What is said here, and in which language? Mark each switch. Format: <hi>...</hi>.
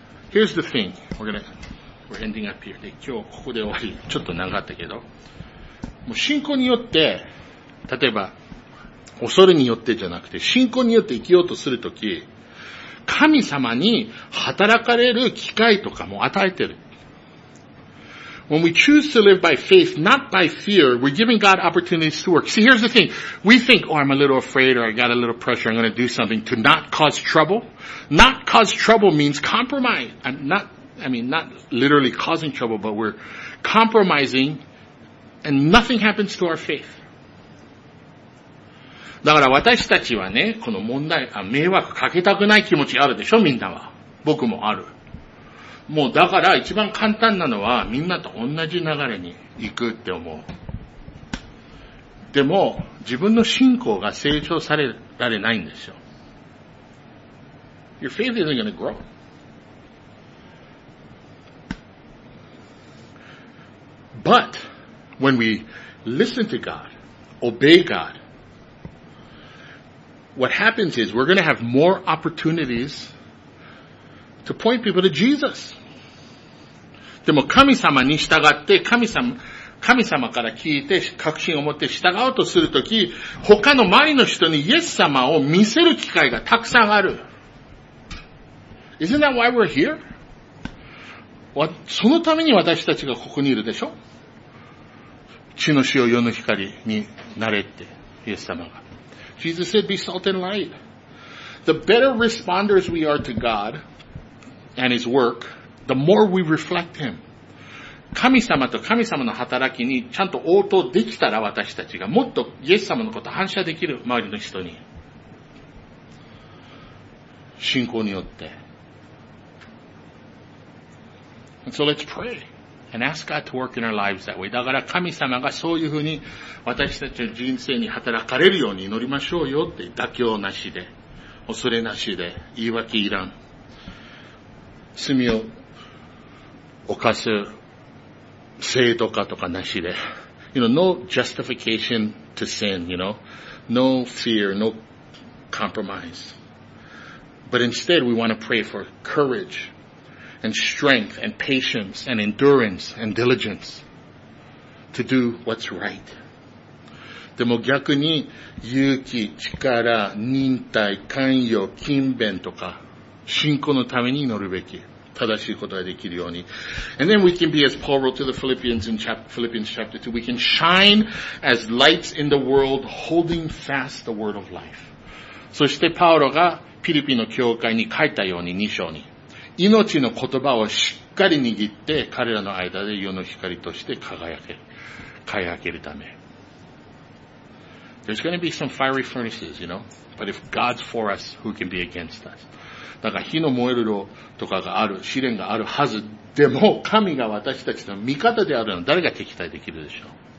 <en>Here's the thing. We're ending up here.</en> <ja>今日ここで終わり。ちょっと長かったけど。もう信仰によって、例えば、恐れによってじゃなくて、信仰によって生きようとするとき、神様に働かれる機会とかも与えてる。</ja> <en>When we choose to live by faith, not by fear, we're giving God opportunities to work. See, here's the thing. We think, oh, I'm a little afraid or I got a little pressure, I'm going to do something to not cause trouble. Not cause trouble means compromise. Not literally causing trouble, but we're compromising and nothing happens to our faith.</en> <ja>だから私たちはね、この問題、迷惑かけたくない気持ちあるでしょ、みんなは。僕もある。もうだから一番簡単なのは、みんなと同じ流れに行くって思う。でも、自分の信仰が成長されられないんですよ。</ja> <en>Your faith isn't gonna grow. But, when we listen to God, obey God,What happens is we're going to have more opportunities to point people to Jesus.</en> <ja>でも神様に従って神様から聞いて確信を持って従おうとするとき、他の周りの人にイエス様を見せる機会がたくさんある。</ja> <en>Isn't that why we're here?</en> <ja>そのために私たちがここにいるでしょ。血の塩、世の光になれってイエス様が。</ja> <en>Jesus said, be salt and light. The better responders we are to God and His work, the more we reflect Him.</en> <ja>神様と神様の働きにちゃんと応答できたら私たちがもっとイエス様のことを反射できる周りの人に。信仰によって。</ja> <en>And so let's pray and ask God to work in our lives that way.</en> <ja>だから神様がそういうふうに私たちの人生に働かれるように祈りましょうよって妥協なしで、恐れなしで、言い訳いらん。罪を犯す正当化とかなしで。</ja> <en>You know, no justification to sin, you know. No fear, no compromise. But instead, we want to pray for courage and strength and patience and endurance and diligence to do what's right.</en> <ja>でも逆に勇気、力、忍耐、寛容、勤勉とか信仰のために祈るべき正しいことができるように。</ja> <en>And then we can be as Paul wrote to the Philippians in Philippians chapter 2. We can shine as lights in the world, holding fast the word of life.</en> <ja>そしてパウロがピリピの教会に書いたように2章に命の言葉をしっかり握って彼らの間で世の光として輝けるため。</ja> <en>There's going to be some fiery furnaces, you know. But if God's for us, who can be against us?</en> <ja>だから火の燃える炉とかがある試練があるはずでも神が私たちの味方であるの誰が敵対できるでしょう。</ja>